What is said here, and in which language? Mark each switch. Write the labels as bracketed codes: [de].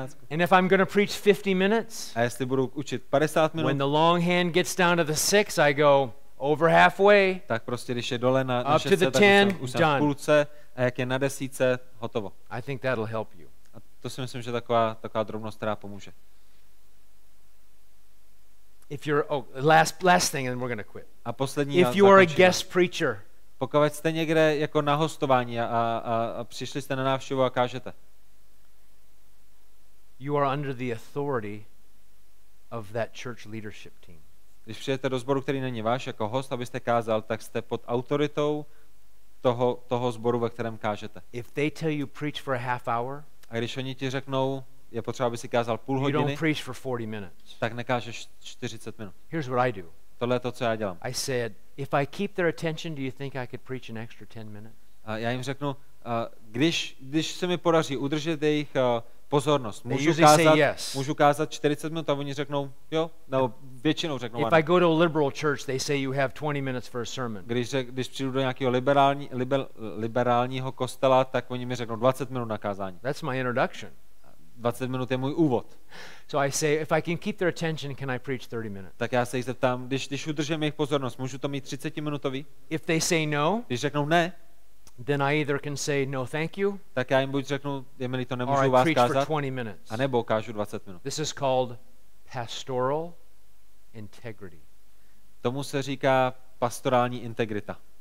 [en] And if I'm going to preach 50 minutes, [cs] a jestli budu učit 50 minut, [en] when the long hand gets down to the 6, I go over halfway. [cs] Tak prostě když je dole na 6, [en] up to the 10, [cs] už jsem v půlce, a jak je na 10, hotovo. [en] I think that'll help you. [cs] A to si myslím, že taková drobnost, která pomůže. [en] If you're last thing, and we're going to quit. [cs] A poslední. [en] If you are a guest preacher, [cs] pokud jste někde jako na hostování a přišli jste na návštěvu a kážete. [en] You are under the authority of that church leadership team. [cs] Když přijete do sboru, který není váš, jako host, abyste kázal, tak jste pod autoritou toho sboru, ve kterém kážete. [en] If they tell you preach for a half hour, [cs] a když oni ti řeknou, je potřeba, aby si kázal půl hodiny, [en] you don't preach for 40 minutes. [cs] Tak nekážeš 40 minut. [en] Here's what I do. [cs] Tohle je to, co já dělám. [en] I said, if I keep their attention, do you think I could preach an extra 10 minutes? [cs] A já jim řeknu, když se mi podaří udržet jejich pozornost. Můžu kázat 40 minut, a oni řeknou jo, nebo většinou řeknou ano. [en] If I go to a liberal church, they say you have 20 minutes for a sermon. [cs] Když přijdu do nějakého liberálního kostela, tak oni mi řeknou 20 minut na kázání. [en] That's my introduction. [cs] 20 minut je můj úvod. [en] So I say, if I can keep their attention, can I preach 30 minutes? [cs] Tak já se jich zeptám, když udržím jejich pozornost, můžu to mít 30 minutový? [en] If they say no, [cs] když řeknou ne, [en] then I either can say no, thank you. [cs] Tak já jim buď řeknu, je mi to, nemůžu vás kázat. A nebo kážu 20 minut. [en] This is called pastoral integrity. [cs] Tomu se říká pastorální integrita.